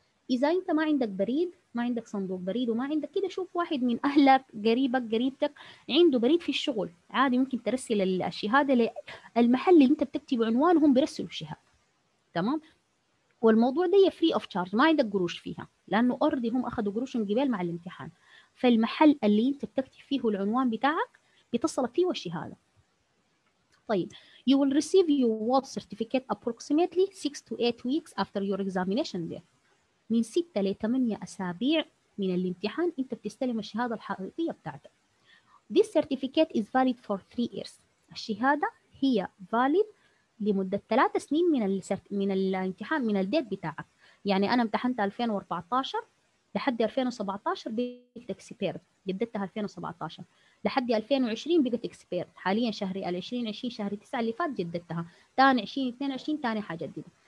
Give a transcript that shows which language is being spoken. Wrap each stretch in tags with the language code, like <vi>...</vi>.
<ar>إذا انت ما عندك بريد، ما عندك صندوق بريد وما عندك كده، شوف واحد من أهلك، قريبك، قريبتك عنده بريد في الشغل، عادي ممكن ترسل الشهادة للمحل اللي انت بتكتب عنوان، هم بيرسلوا الشهادة، تمام؟ والموضوع ده</ar> <en>free of charge،</en> <ar>ما عندك قروش فيها، لأنه أرضي هم أخذوا قروش قبل مع الامتحان. فالمحل اللي انت بتكتب فيه العنوان بتاعك بتصل فيه والشهادة.</ar> <en>طيب you will receive your WOT certificate approximately 6 to 8 weeks after your examination day.</en> <ar>من 6 إلى 8 أسابيع من الامتحان أنت بتستلم الشهادة الحقيقية بتاعتك.</ar> <en>This certificate is valid for 3 years.</en> <ar>الشهادة هي valid لمدة 3 سنين من الامتحان، من الديت بتاعك. يعني أنا امتحنت 2014 لحد 2017 بقت expired، جددتها 2017 لحد 2020 بقت expired. حاليا شهري 2020 شهر 9 اللي فات جددتها، تاني 2022 تاني حجددها.</ar>